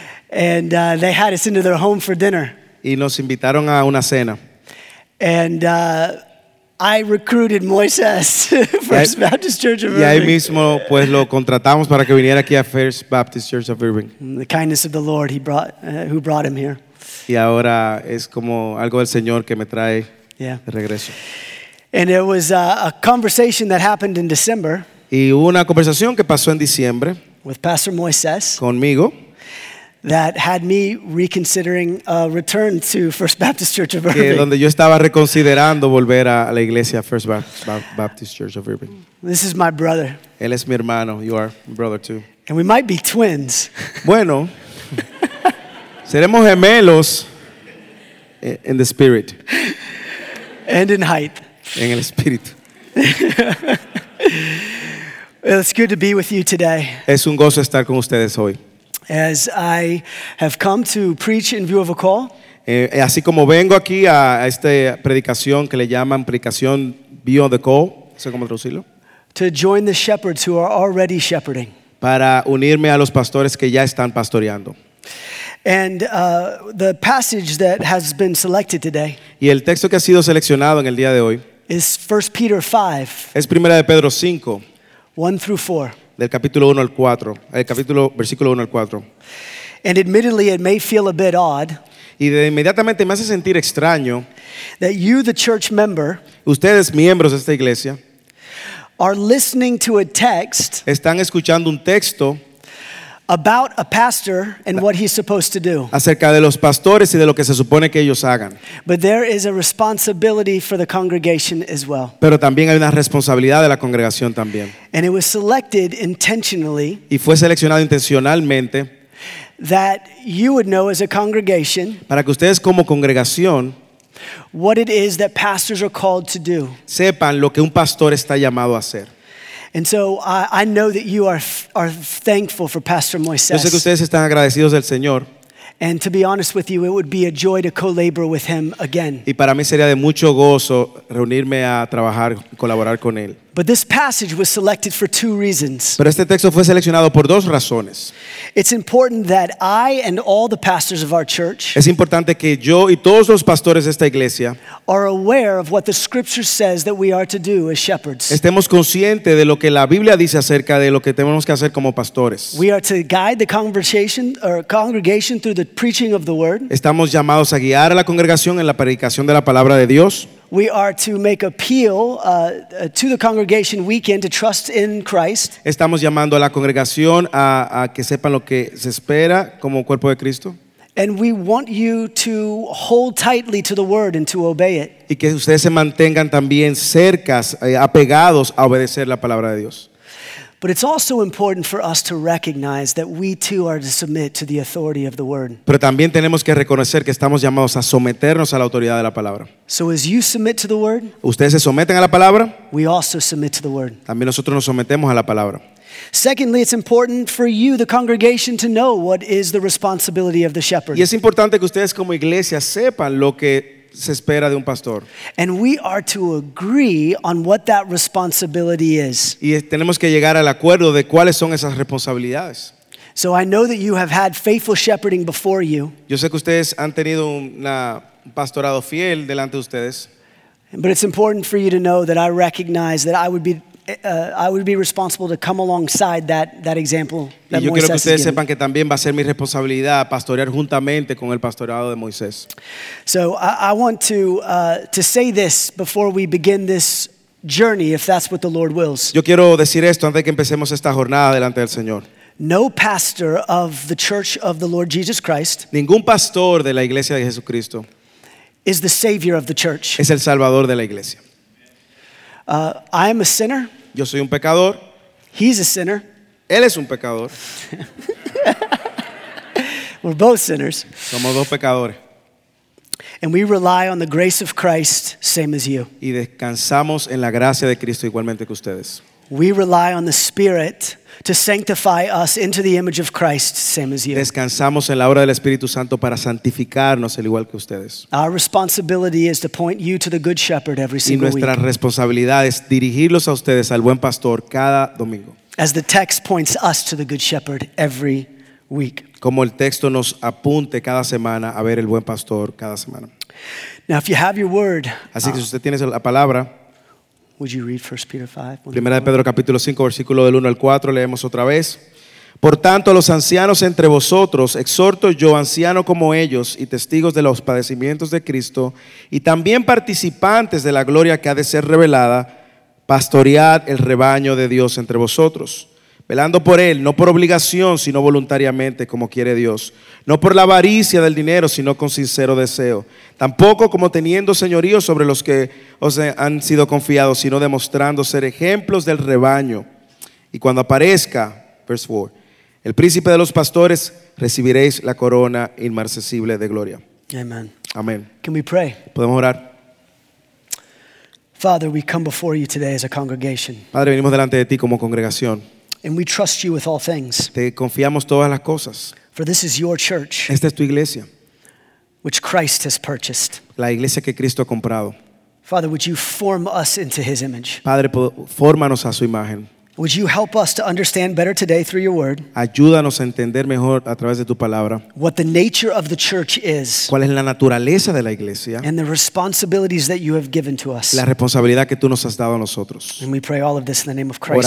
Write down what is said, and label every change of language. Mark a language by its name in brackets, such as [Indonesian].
[English] And they had us into their home for dinner. [Spanish] Y nos invitaron a una cena. [English] And I recruited Moisés for First Baptist Church of Irving. [Spanish] Y ahí mismo, pues, lo contratamos para que viniera aquí a First Baptist Church of Irving. [English] The kindness of the Lord, who brought him here. [Spanish] Y ahora es como algo del Señor que me trae de regreso. [English] And it was a conversation that happened in December. [Spanish] Y hubo una conversación que pasó en diciembre. [English] With Pastor Moisés. [Spanish] Conmigo. [English] That had me reconsidering a return to First Baptist Church of Irving. [Spanish] Que donde yo estaba reconsiderando volver a la iglesia First Baptist Church of Irving. [English] This is my brother. [Spanish] Él es mi hermano. [English] You are my brother too. And we might be twins. [Spanish] Bueno, seremos gemelos [English] in the spirit. And in height. [Spanish] En el espíritu. [English] It's good to be with you today. [Spanish] Es un gozo estar con ustedes hoy. [English] As I have come to preach in view of a call. [Spanish] Así como vengo aquí a esta predicación que le llaman predicación [English] view of the call. [Spanish] ¿Sé cómo traducirlo? [English] To join the shepherds who are already shepherding. [Spanish] Para unirme a los pastores que ya están pastoreando. [English] And the passage that has been selected today. [Spanish] Y el texto que ha sido seleccionado en el día de hoy. [English] Is 1 Peter 5. [Spanish] Es Primera de Pedro 5. [English] 1 through 4. [Spanish] Del capítulo 1 al 4, el capítulo versículo 1 al 4. [English] And admittedly it may feel a bit odd. [Spanish] Y de inmediatamente me hace sentir extraño. [English] That you, the church member, [Spanish] ustedes miembros de esta iglesia, [English] are listening to a text. [Spanish] Están escuchando un texto [English] about a pastor and what he's supposed to do. [Spanish] Acerca de los pastores y de lo que se supone que ellos hagan. [English] But there is a responsibility for the congregation as well. [Spanish] Pero también hay una responsabilidad de la congregación también. [English] And it was selected intentionally. [Spanish] Y fue seleccionado intencionalmente. [English] That you would know as a congregation. [Spanish] Para que ustedes como congregación. [English] What it is that pastors are called to do. [Spanish] Sepan lo que un pastor está llamado a hacer. [English] And so I know that you are thankful for Pastor Moisés. [Spanish] Yo sé que ustedes están agradecidos del Señor. [English] And to be honest with you, it would be a joy to co-labor with him again. [Spanish] Y para mí sería de mucho gozo reunirme a trabajar, colaborar con él. [English] But this passage was selected for two reasons. [Spanish] Pero este texto fue seleccionado por dos razones. [English] It's important that I and all the pastors of our church. [Spanish] Es importante que yo y todos los pastores de esta iglesia. [English] Are aware of what the scripture says that we are to do as shepherds. [Spanish] Estemos conscientes de lo que la Biblia dice acerca de lo que tenemos que hacer como pastores. [English] We are to guide the conversation or congregation through the preaching of the word. [Spanish] Estamos llamados a guiar a la congregación en la predicación de la palabra de Dios. [English] We are to make appeal to the congregation weekend to trust in Christ. [Spanish] Estamos llamando a la congregación a que sepan lo que se espera como cuerpo de Cristo. [English] And we want you to hold tightly to the word and to obey it. [Spanish] Y que ustedes se mantengan también cercas, apegados a obedecer la palabra de Dios. [English] But it's also important for us to recognize that we too are to submit to the authority of the word. [Spanish] Pero también tenemos que reconocer que estamos llamados a someternos a la autoridad de la palabra. [English] So as you submit to the word, [Spanish] ustedes se someten a la palabra, [English] we also submit to the word. [Spanish] También nosotros nos sometemos a la palabra. [English] Secondly, it's important for you, the congregation, to know what is the responsibility of the shepherd. [Spanish] Y es importante que ustedes como iglesia sepan lo que se espera de un pastor. [English] And we are to agree on what that responsibility is. [Spanish] Y tenemos que llegar al acuerdo de cuáles son esas responsabilidades. [English] So I know that you have had faithful shepherding before you. [Spanish] Yo sé que ustedes han tenido un pastorado fiel delante de ustedes. [English] But it's important for you to know that I recognize that I would be responsible to come alongside that example that Moisés has given. [Spanish] Y yo quiero que ustedes sepan que también va a ser mi responsabilidad pastorear juntamente con el pastorado de Moisés. [English] So I want to say this before we begin this journey, if that's what the Lord wills. [Spanish] Yo quiero decir esto antes de que empecemos esta jornada delante del Señor. [English] No pastor of the Church of the Lord Jesus Christ. [Spanish] Ningún pastor de la Iglesia de Jesucristo. [English] Is the Savior of the Church. [Spanish] Es el Salvador de la Iglesia. [English] I am a sinner. [Spanish] Yo soy un pecador. [English] He's a sinner. [Spanish] Él es un pecador. [English] We're both sinners. [Spanish] Somos dos pecadores. [English] And we rely on the grace of Christ, same as you. [Spanish] Y descansamos en la gracia de Cristo igualmente que ustedes. [English] We rely on the Spirit to sanctify us into the image of Christ, same as you. [Spanish] Descansamos en la obra del Espíritu Santo para santificarnos al igual que ustedes. [English] Our responsibility is to point you to the Good Shepherd every single week. [Spanish] Y nuestra responsabilidad es dirigirlos a ustedes al buen pastor cada domingo. [English] As the text points us to the Good Shepherd every week. [Spanish] Como el texto nos apunte cada semana a ver el buen pastor cada semana. [English] Now, if you have your word, [Spanish] así que si usted tiene la palabra, [English] would you read 1 Peter 5? [Spanish] Primera de Pedro capítulo 5, versículo del 1 al 4, leemos otra vez. Por tanto, a los ancianos entre vosotros, exhorto yo, anciano como ellos y testigos de los padecimientos de Cristo y también participantes de la gloria que ha de ser revelada, pastoread el rebaño de Dios entre vosotros, velando por él, no por obligación, sino voluntariamente, como quiere Dios. No por la avaricia del dinero, sino con sincero deseo. Tampoco como teniendo señorío sobre los que os han sido confiados, sino demostrando ser ejemplos del rebaño. Y cuando aparezca, verse 4, el príncipe de los pastores, recibiréis la corona inmarcesible de gloria. [English] Amen. [Spanish] Amen. [English] Can we pray? [Spanish] Podemos orar. [English] Father, we come before you today as a congregation. [Spanish] Padre, venimos delante de ti como congregación. [English] And we trust you with all things. [Spanish] Te confiamos todas las cosas. [English] For this is your church. [Spanish] Esta es tu iglesia. [English] Which Christ has purchased. [Spanish] La iglesia que Cristo ha comprado. [English] Father, would you form us into his image? [Spanish] Padre, fórmanos a su imagen. [English] Would you help us to understand better today through your word? [Spanish] Ayúdanos a entender mejor a través de tu palabra. [English] What the nature of the church is. [Spanish] ¿Cuál es la naturaleza de la iglesia? [English] And the responsibilities that you have given to us. [Spanish] La responsabilidad que tú nos has dado a nosotros. [English] And we pray all of this in the name of Christ.